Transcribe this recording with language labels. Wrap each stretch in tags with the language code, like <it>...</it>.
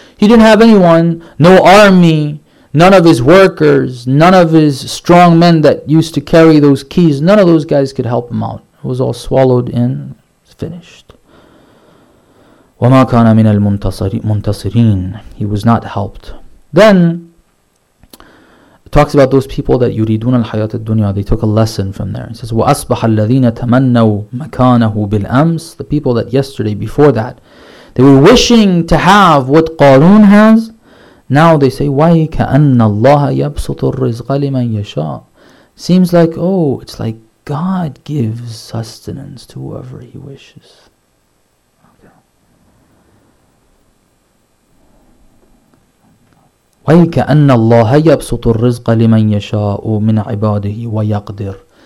<en>He didn't have anyone, no army, none of his workers, none of his strong men that used to carry those keys, none of those guys could help him out. It was all swallowed in, finished.</en> <ar>وَمَا كَانَ مِنَ الْمُنْتَصِرِينَ.</ar> <en>He was not helped. Then, talks about those people that</en> <ar>يُرِيدُونَ الْحَيَاةَ الدُّنْيَا.</ar> <en>They took a lesson from there. It says,</en> <ar>وَأَصْبَحَ الَّذِينَ تَمَنَّوا مَكَانَهُ بِالْأَمْسِ.</ar> <en>The people that yesterday, before that, they were wishing to have what Qarun has. Now they say,</en> <ar>وَيْكَأَنَّ اللَّهَ يَبْسُطُ الرِّزْقَ لِمَنْ يَشَاءُ.</ar> <en>Seems like, oh, it's like God gives sustenance to whoever He wishes.</en> <ar>وَيْكَأَنَّ اللَّهَ يَبْسُطُ الرِّزْقَ لِمَنْ يَشَاءُ مِنْ عِبَادِهِ وَيَقْدِرُ.</ar>